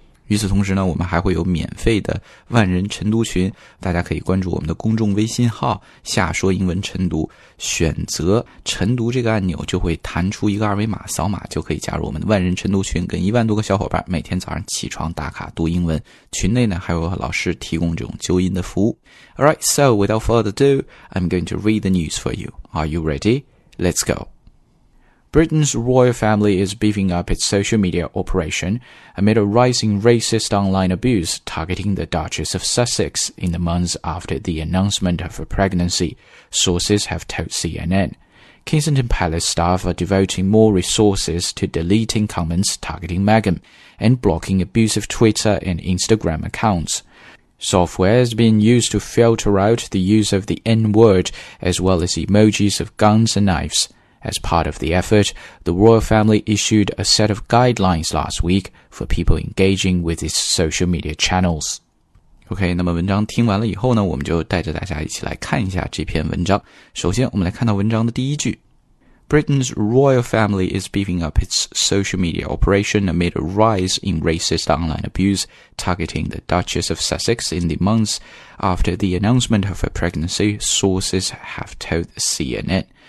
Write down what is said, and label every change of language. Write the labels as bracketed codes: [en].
[zh] 与此同时呢，我们还会有免费的万人晨读群，大家可以关注我们的公众微信号夏说英文晨读，选择晨读这个按钮就会弹出一个二维码，扫码就可以加入我们的万人晨读群，跟10000多个小伙伴每天早上起床打卡读英文。群内呢还有老师提供这种纠音的服务。 [en] Alright, so without further ado, I'm going to read the news for you. Are you ready? Let's goBritain's royal family is beefing up its social media operation amid a rising racist online abuse targeting the Duchess of Sussex in the months after the announcement of her pregnancy, sources have told CNN. Kensington Palace staff are devoting more resources to deleting comments targeting Meghan and blocking abusive Twitter and Instagram accounts. Software has been used to filter out the use of the N-word as well as emojis of guns and knives. As part of the effort, the royal family issued a set of guidelines last week for people engaging with its social media channels. [zh] OK, 那么文章听完了以后呢，我们就带着大家一起来看一下这篇文章。首先我们来看到文章的第一句。 [en] Britain's royal family is beefing up its social media operation amid a rise in racist online abuse targeting the Duchess of Sussex in the months after the announcement of her pregnancy, sources have told CNN.